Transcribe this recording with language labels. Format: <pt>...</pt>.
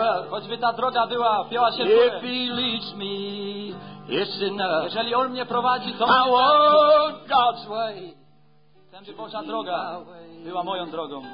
<pl>Choćby ta droga była, biała się w górę.</pl> <en>If he leads me, it's enough.</en> <pl>Jeżeli on mnie prowadzi, to</pl> <en>I want God's way.</en> <pl>Tędy Boża droga była moją drogą.</pl>